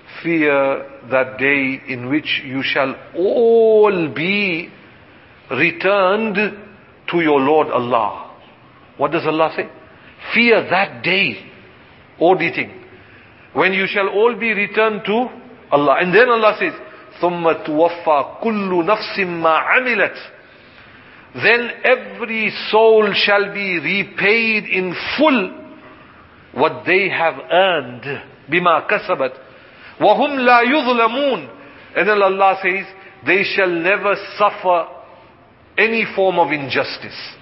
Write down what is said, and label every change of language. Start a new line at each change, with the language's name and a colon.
English: Fear that day in which you shall all be returned to your Lord Allah. What does Allah say? Fear that day, auditing, when you shall all be returned to Allah. And then Allah says,
Arabic: ثُمَّ تُوَفَّى كُلُّ نَفْسٍ مَّا عَمِلَتْ.
English: Then every soul shall be repaid in full what they have earned,
Arabic: bima kasabat, wahum la yuzlamun.
English: And then Allah says, they shall never suffer any form of injustice.